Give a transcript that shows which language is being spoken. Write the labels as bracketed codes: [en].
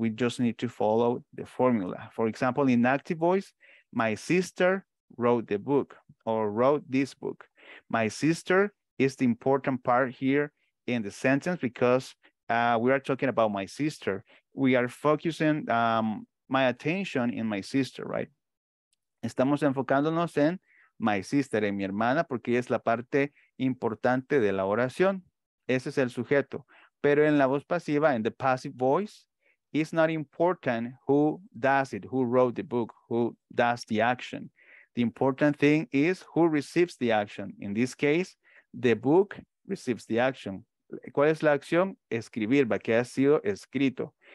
[en] We just need to follow the formula. For example, in active voice, my sister wrote the book or wrote this book. My sister is the important part here in the sentence because we are talking about my sister. We are focusing my attention in my sister, right? [es] Estamos enfocándonos en [en] my sister, [es] en mi hermana, porque es la parte importante de la oración. Ese es el sujeto. Pero en la voz pasiva, [en] in the passive voice, it's not important who does it, who wrote the book, who does the action. The important thing is who receives the action. In this case, the book receives the action. [es] ¿Cuál es la acción? Escribir, ¿va? ¿Qué ha sido escrito?